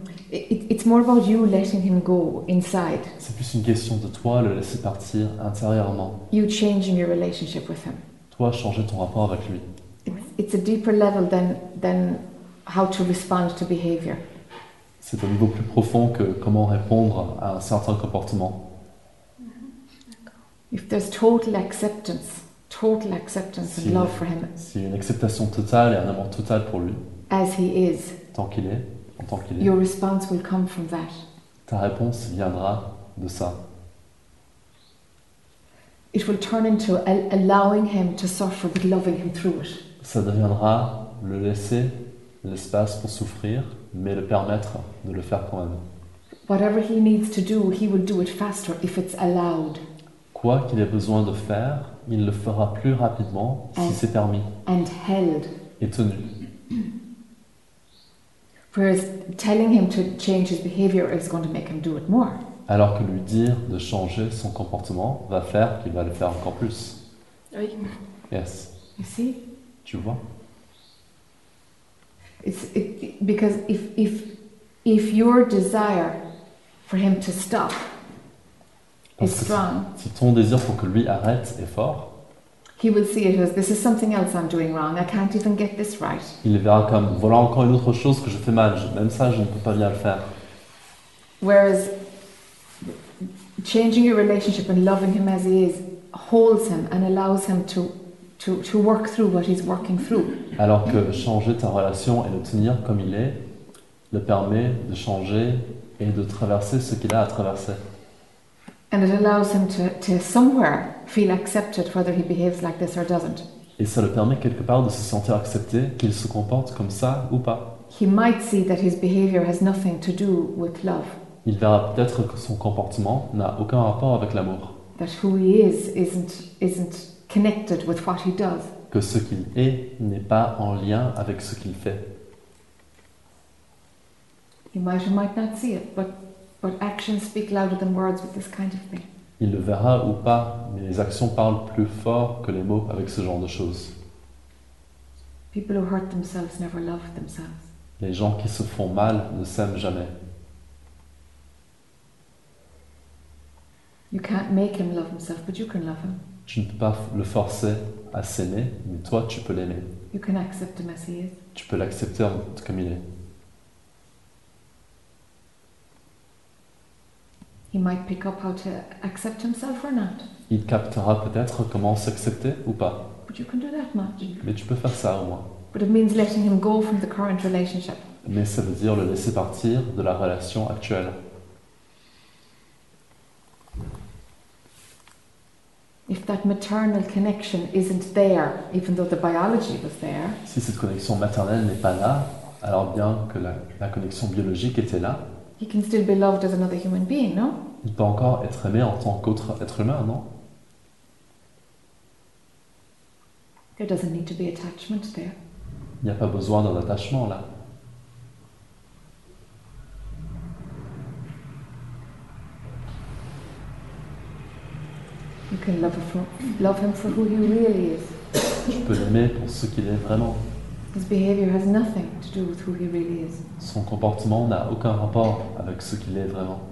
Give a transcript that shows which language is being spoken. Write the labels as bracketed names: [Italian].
[English] It's more about you letting him go inside. [French] C'est plus une question de toi le laisser partir intérieurement. [English] You changing your relationship with him. [French] Toi changer ton rapport avec lui. [English] It's a deeper level than how to respond to behavior. [French] C'est un niveau plus profond que comment répondre à un certain comportement. [English] If there's total acceptance and love for him. [French] Si une acceptation totale et un amour total pour lui. [English] As he is. [French] Tant qu'il est, en tant qu'il est. [English] Your response will come from that. [French] Ta réponse viendra de ça. [English] It will turn into allowing him to suffer but loving him through it. [French] Ça deviendra le laisser l'espace pour souffrir, mais le permettre de le faire quand même. [English] Whatever he needs to do, he will do it faster if it's allowed. [French] Quoi qu'il ait besoin de faire, il le fera plus rapidement si c'est permis. [English] And held. [French] Et tenu. [English] Whereas telling him to change his behavior is going to make him do it more. [French] Alors que lui dire de changer son comportement va faire qu'il va le faire encore plus. Oui. [English] Yes. You see? [French] Tu vois? [English] Because if your desire for him to stop is strong, [French] si ton désir pour que lui arrête est fort, [English] he will see it as this is something else I'm doing wrong. I can't even get this right. [French] Il verra comme voilà encore une autre chose que je fais mal. Même ça, je ne peux pas bien le faire. [English] Whereas changing your relationship and loving him as he is holds him and allows him to to work through what he's working through. [French] Alors que changer ta relation et le tenir comme il est le permet de changer et de traverser ce qu'il a à traverser. [English] And it allows him to somewhere feel accepted whether he behaves like this or doesn't. [French] Et ça le permet quelque part de se sentir accepté qu'il se comporte comme ça ou pas. [English] He might see that his behavior has nothing to do with love. [French] Il verra peut-être que son comportement n'a aucun rapport avec l'amour. [English] That who he is isn't connected with what he does. [French] Que ce qu'il est n'est pas en lien avec ce qu'il fait. [English] You might or might not see it, but actions speak louder than words with this kind of thing. [French] Il le verra ou pas, mais les actions parlent plus fort que les mots avec ce genre de choses. [English] People who hurt themselves never love themselves. [French] Les gens qui se font mal ne s'aiment jamais. [English] You can't make him love himself, but you can love him. [French] Tu ne peux pas le forcer à s'aimer, mais toi tu peux l'aimer. [English] You can accept him as he is. [French] Tu peux l'accepter comme il est. [English] He might pick up how to accept himself or not. [French] Il captera peut-être comment s'accepter ou pas. [English] But you can do that much. [French] Mais tu peux faire ça au moins. [English] But it means letting him go from the current relationship. [French] Mais ça veut dire le laisser partir de la relation actuelle. [English] If that maternal connection isn't there, even though the biology was there. [French] Si cette connexion maternelle n'est pas là, alors bien que la connexion biologique était là. [English] He can still be loved as another human being, no? [French] Il peut encore être aimé en tant qu'autre être humain, non? [English] There doesn't need to be attachment there. [French] Il n'y a pas besoin d'un attachement là. [English] You can love him for who he really is. [French] Tu peux l'aimer pour ce qu'il est vraiment. [English] His behavior has nothing to do with who he really is. [French] Son comportement n'a aucun rapport avec ce qu'il est vraiment.